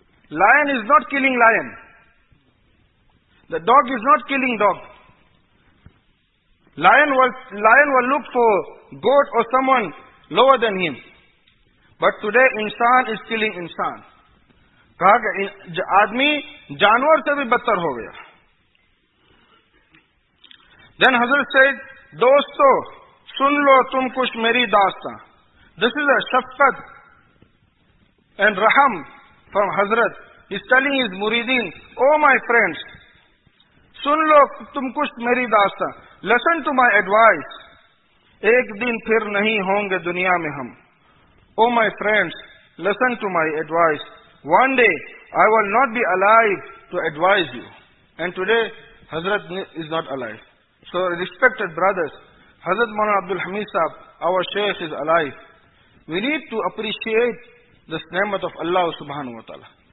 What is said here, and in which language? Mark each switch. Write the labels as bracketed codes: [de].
[en] Lion is not killing lion. The dog is not killing dog. lion will look for goat or someone lower than him. But today, insan is killing insan. [hi] कहा कि आदमी जानवर से भी बदतर हो गया. Then हजरत said, दोस्तों सुन लो तुम कुछ मेरी दास्तां. [en] This is a shafqat and raham from Hazrat. He's telling his muridin, oh my friends, [hi] सुन लो तुम कुछ मेरी दास्तां. [en] Listen to my advice. [hi] एक दिन फिर नहीं होंगे दुनिया में हम. [en] Oh my friends, listen to my advice. One day, I will not be alive to advise you. And today, Hazrat is not alive. So, respected brothers, Hazrat Maulana Abdul Hamid Sahab, our Shaykh is alive. We need to appreciate this ni'mat of Allah subhanahu wa ta'ala.